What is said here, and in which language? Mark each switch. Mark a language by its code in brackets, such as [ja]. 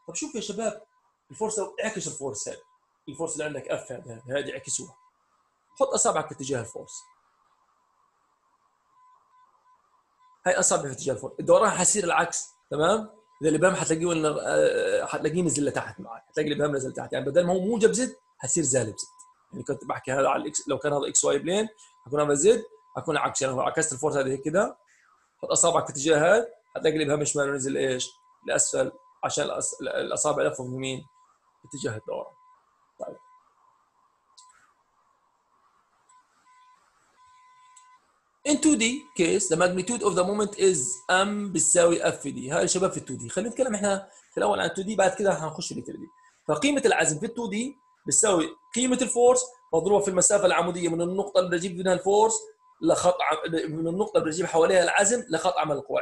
[ar] طب شوف يا شباب الفورس اعكس الفورس هذا، الفورس اللي عندك اف هذه اعكسوها، حط اصابعك في اتجاه الفورس، هاي اصابعي في اتجاه الفورس، الدوران حيصير العكس، تمام؟ اذا الابهام حتلاقيه نزل لتحت معك، حتلاقي الابهام نزل لتحت، يعني بدل ما هو موجب زد حصير زالب زد. يعني كنت بحكي هذا على الاكس، لو كان هذا اكس واي بلين حكون هذا زد، حكون عكس، يعني لو عكست الفورس هذه كذا حط اصابعك في اتجاه هذا حتلاقي الابهام شمال ونزل ايش؟ لاسفل عشان الاصابع لفوا من يمين اتجاه الدوره. [en] طيب In 2D case the magnitude of the moment is m [ar] بتساوي f في d. هاي الشباب في 2D، خلينا نتكلم احنا في الاول عن 2D بعد كده هنخش في 3D. فقيمة العزم في 2D بتساوي قيمة الفورس مضروبة في المسافة العمودية من النقطة اللي بجيب منها الفورس لخط من النقطة اللي بجيب حواليها العزم لخط عمل القوة.